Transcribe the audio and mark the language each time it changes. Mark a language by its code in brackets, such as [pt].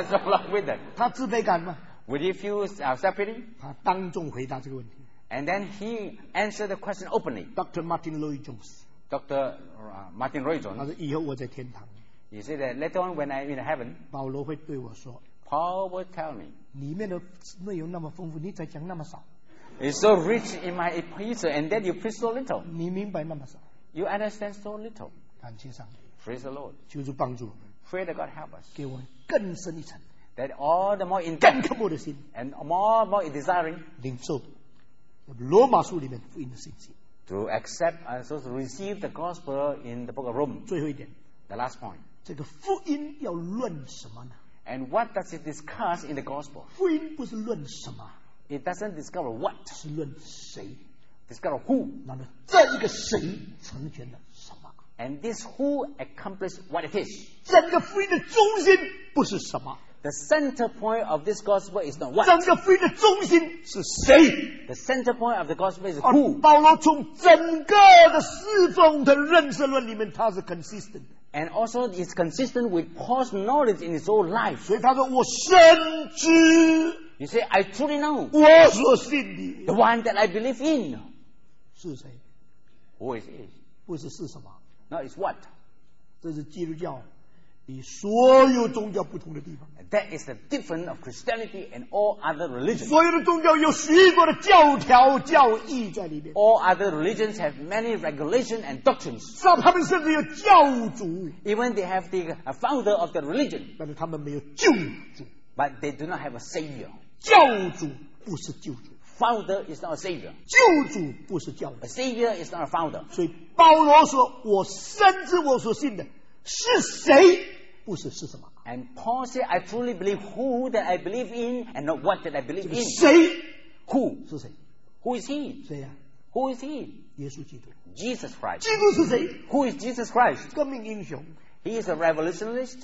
[en] You're so long winded. [zh] 他自卑感吗 [en] ？Would he feel self-pity? [zh] 他当众回答这个问题。 [en] And then he answered the question openly. Dr. Martin Lloyd Jones. Dr. Martin Lloyd Jones. [zh] 他说：“以后我在天堂。” [en] He said that later on when I'm in heaven. [zh] 保罗会对我说 [en] ：“Paul would tell me. [zh] 里面的内容那么丰富，你才讲那么少。 [en] It's so rich in my epistle, and then you preach so little. [zh] 你明白那么少。 [en] You understand so little. [zh] 感谢上帝。 [en] Praise the Lord. [zh] 求主帮助我们。 [en] Pray that God help us. [zh] 给我们更深一层。 [en] That all the more intense. [zh] 更渴慕的心。 [en] And more desiring. [zh] 领受罗马书里面福音的信息。 [en] To accept and so to receive the gospel in the book of Romans. [zh] 最后一点。 [en] The last point. [zh] 这个福音要论什么呢 [en] ？And what does it discuss in the gospel? [zh] 福音不是论什么。 [en] It doesn't discover what. [zh] 是论谁。 [en] Discover who. [zh] 那么这一个谁成全了。 [en] And this who accomplished what it is. [zh] 整个福音的中心不是什么。 [en] The center point of this gospel is not what? [zh] 整个福音的中心是谁? [en] The center point of the gospel is who? [zh] 保罗从整个的侍奉的认识论里面，他是consistent。 [en] And also it's consistent with Paul's knowledge in his whole life. [zh] 所以他说我深知, [en] you say, I truly know [zh] 我所信的, [en] the one that I believe in. [zh] 是谁? [en] Who is it? [zh] 不是是什么? [en] No, it's what? [zh] 这是基督教。所有宗教不同的地方。That [en] is the difference of Christianity and all other religions. [zh] 所有的宗教有许多的教条教义在里面。 [en] All other religions have many regulations and doctrines. [zh] 他们甚至有教主。 [en] Even they have the founder of the religion. [zh] 但是他们没有救主。 [en] But they do not have a savior. [zh] 教主不是救主。 [en] Founder is not a savior. [zh] 救主不是教主。 [en] A savior is not a founder. [zh] 所以保罗说，我深知我所信的。是谁不是是什么? [en] And Paul said, I truly believe who that I believe in and not what that I believe in. [zh] 谁? [en] Who? [zh] 是谁? [en] Who is he? [zh] 谁呀? [en] Who is he? [zh] 耶稣基督。 [en] Jesus Christ. [zh] 基督是谁? [en] Who is Jesus Christ? [zh] 革命英雄。 [en] He is a revolutionist.